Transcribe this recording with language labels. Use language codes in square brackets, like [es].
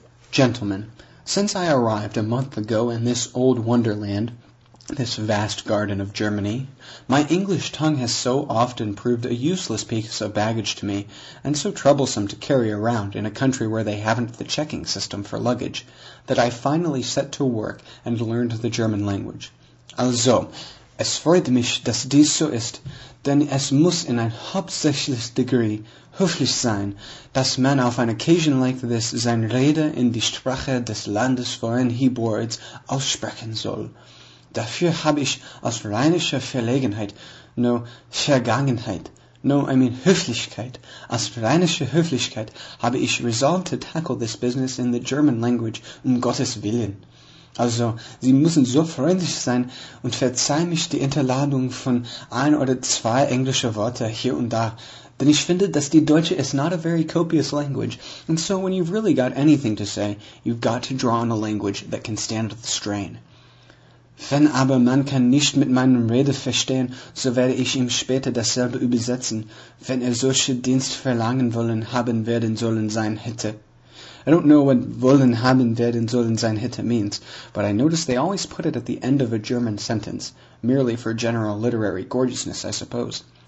[en] Gentlemen, since I arrived a month ago in this old wonderland, this vast garden of Germany, my English tongue has so often proved a useless piece of baggage to me, and so troublesome to carry around in a country where they haven't the checking system for luggage, that I finally set to work and learned the German language. [de] Also, es freut mich, dass dies so ist, denn es muss in ein hauptsächliches Degree höflich sein, dass man auf ein [en] occasion like this [de] sein Rede in die Sprache des Landes, worin [en] he boards, [de] aussprechen soll. Dafür habe ich aus rheinischer Verlegenheit, no Vergangenheit, [en] no I mean [de] Höflichkeit, aus rheinischer Höflichkeit habe ich [en] resolved to tackle this business in the German language [de] Gottes Willen. Also, Sie müssen so freundlich sein und verzeih mich die Unterladung von ein oder zwei englische Worte hier und da, denn ich finde, dass die Deutsche [en] is not a very copious language, and so when you've really got anything to say, you've got to draw on a language that can stand the strain. [de] Wenn aber man kann nicht mit meinem Rede verstehen, so werde ich ihm später dasselbe übersetzen, wenn er solche Dienst verlangen wollen haben werden sollen sein hätte. [en] I don't know what [de] wollen haben werden sollen sein hätte [en] means, but I notice they always put it at the end of a German sentence, merely for general literary gorgeousness, I suppose.